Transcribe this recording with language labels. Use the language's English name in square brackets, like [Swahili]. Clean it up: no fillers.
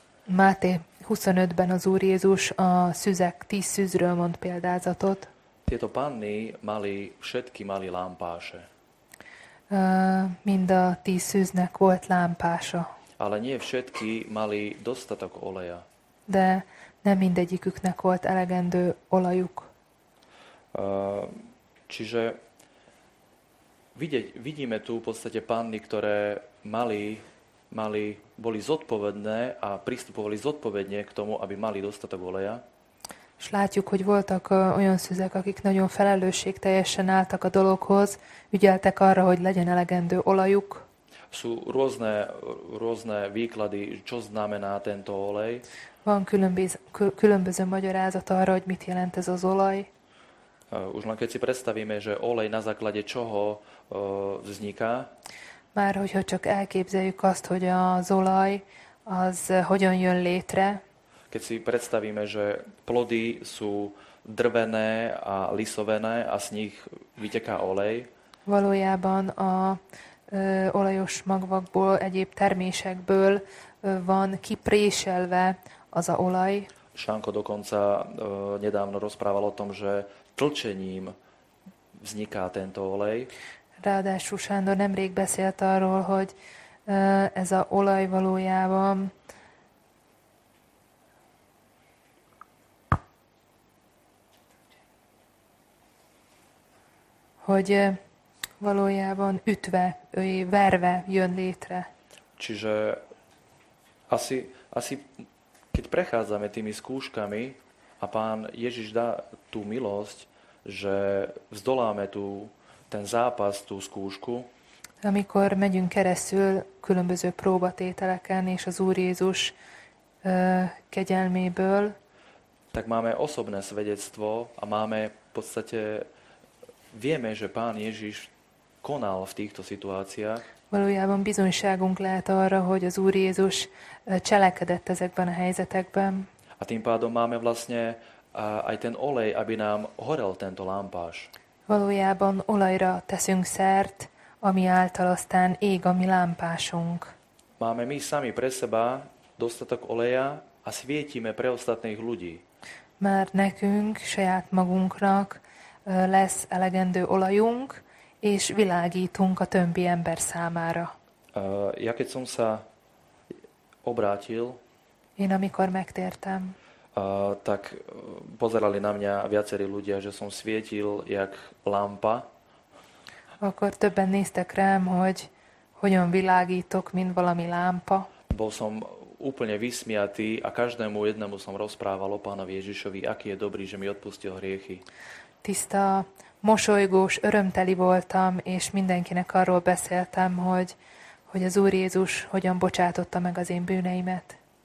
[Hungarian] Máté 25-ben az Úr Jézus a szüzek 10 szűzről mond példázatot. [Slovak] Tieto panny mali, všetky mali lámpáše. [Hungarian] Mind a 10 szűznek volt lámpása. [Slovak] Ale nie všetky mali dostatok oleja. [Hungarian] De nem mindegyiküknek volt elegendő olajuk. [Slovak] Čiže vidíme tu v podstate panny, ktoré mali boli zodpovedné a pristupovali zodpovedne k tomu, aby mali dostatok oleja. [Hungarian] És látjuk, hogy voltak olyan szüzek, akik nagyon felelősségteljesen álltak a dologhoz, ügyeltek arra, hogy legyen elegendő olajuk. [Slovak] Sú rôzne výklady, čo znamená tento olej. [Hungarian] Van különböző magyarázat arra, hogy mit jelent ez az olaj. [Slovak] Už len keď si predstavíme, že olej na základe čoho vzniká. [Hungarian] Már hogyha csak elképzeljük azt, hogy az olaj, az hogyan jön létre. [Slovak] Keď si predstavíme, že plody sú drvené a lisovené a z nich vyteká olej. [Hungarian] Valójában a olajos magvakból, egyéb termésekből van kipréselve az a olaj. [Slovak] Šanko dokonca nedávno rozprával o tom, že tlčením vzniká tento olej. [Hungarian] Ráadásul Sándor nemrég beszélt arról, hogy ez a olaj valójában hogy valójában ütve, verve jön létre. [Slovak] Čiže asi keď prechádzame tými skúškami a Pán Ježiš dá tú milosť, že vzdoláme tú, ten zápas, tú skúšku. [Hungarian] Amikor megyünk keresztül különböző próbatételeken és az Úr Jézus kegyelméből, [Slovak] tak máme osobné svedectvo a máme v podstate, vieme, že Pán Ježiš konal v týchto situáciách. [Hungarian] Valójában bizonyságunk lehet arra, hogy az Úr Jézus cselekedett ezekben a helyzetekben. [Slovak] A tým pádom máme vlastne aj ten olej, aby nám horel tento lámpás. [Hungarian] Valójában olajra teszünk szert, ami által aztán ég a mi lámpásunk. [Slovak] Máme my sami pre seba dostatok oleja a svietíme pre ostatných ľudí. [Hungarian] Mert nekünk, saját magunknak lesz elegendő olajunk, és világítunk a többi ember számára. [Slovak] Ja keď som sa obrátil, [Hungarian] én amikor megtértem, [Slovak] tak pozerali na mňa viacerí ľudia, že som svietil jak lampa. [Hungarian] Akkor többen néztek rám, hogy hogyan világítok, mint valami lámpa. [Slovak] Bol som úplne vysmiatý a každému jednému som rozprával o Pánovi Ježišovi, aký je dobrý, že mi odpustil hriechy. [Hungarian] Tiszta, mosolygós, örömteli voltam, és mindenkinek arról beszéltem, hogy az Úr Jézus hogyan bocsátotta meg az én bűneimet.